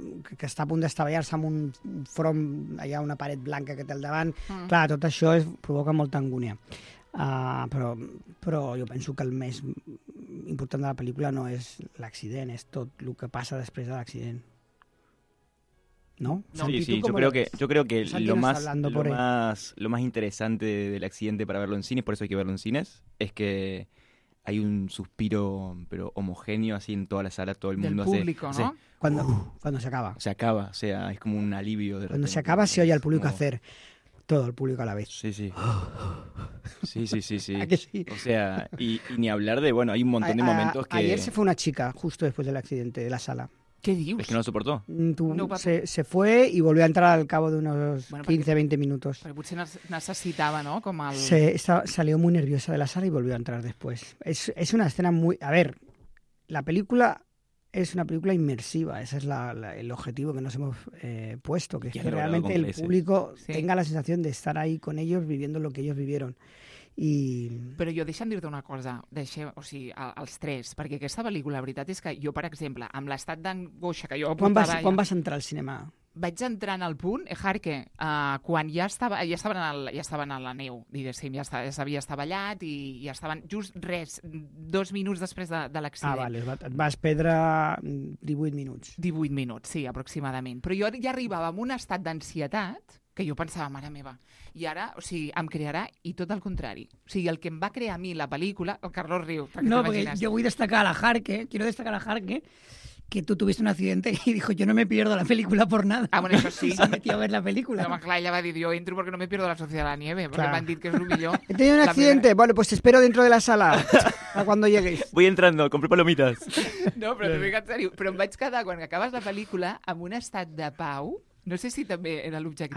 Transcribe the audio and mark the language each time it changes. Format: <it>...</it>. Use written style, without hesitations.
<ca>Que està a punt d'estavellar-se amb un front, allà una paret blanca que té al davant. Mm. Clar, tot això provoca molta angúnia. Però jo penso que el més important de la pel·lícula no és l'accident, és tot el que passa després de l'accident. ¿No?</ca> <es>Sí, sí, yo creo que lo más interesante del accidente para verlo en cines, por eso hay que verlo en cines, es que hay un suspiro pero homogéneo así en toda la sala, todo el mundo del público, hace, ¿no? Hace, cuando cuando se acaba. Se acaba, o sea, es como un alivio de cuando repente, se acaba, ¿no? Se oye al público como... hacer todo el público a la vez. Sí, sí. Sí, sí, sí, sí. ¿A que sí? O sea, y ni hablar de, bueno, hay un montón de momentos que ayer se fue una chica justo después del accidente de la sala.</es> <ca>¿Qué dius?</ca> <es>Es que no lo soportó. Se fue y volvió a entrar al cabo de unos 15-20 minutos.</es> <ca>Porque potser necessitava, ¿no? Com el...</ca> <es>Salió muy nerviosa de la sala y volvió a entrar después. Es una escena muy... A ver, la película es una película inmersiva. Ese es el objetivo que nos hemos puesto. Que es que realmente el público tenga la sensación de estar ahí con ellos viviendo lo que ellos vivieron.</es> <ca>I... Però jo deixa'm dir-te una cosa, els tres, perquè aquesta pel·lícula, la veritat és que jo, per exemple, amb l'estat d'angoixa que jo apuntava... Quan vas entrar al cinema? Vaig entrar en el punt, Jarque, quan ja estaven a la neu, diguéssim, ja s'havia estavellat i ja estaven just res, 2 minuts després de l'accident. Ah, vale, et vas perdre 18 minuts. 18 minuts, sí, aproximadament. Però jo ja arribava en un estat d'ansietat que jo pensava, mare meva, i ara, o sigui, em crearà, i tot el contrari. O sigui, el que em va crear a mi la pel·lícula, el Carlos riu, perquè no, perquè jo vull destacar a la Jarque, que tu</ca> <es>tuviste un accidente i dijo, yo no me pierdo la película por nada. Ah, bueno, eso sí. Se metió a ver la película.</es> <ca>No, clar, ella va dir,</ca> <es>yo entro porque no me pierdo</es> <ca>La Sociedad de la Nieve,</ca> <es>porque claro,</es> <ca>m'han dit que és el millor.</ca> <es>He tenido un accidente, bueno, pues espero dentro de la sala, a cuando llegues. Voy entrando, compré palomitas.</es> <ca>No, però t'ho dic en sèrio. Però em vaig quedar, quan acabes la pel·lícula, amb un estat de pau. No sé si també era l'objectiu</ca>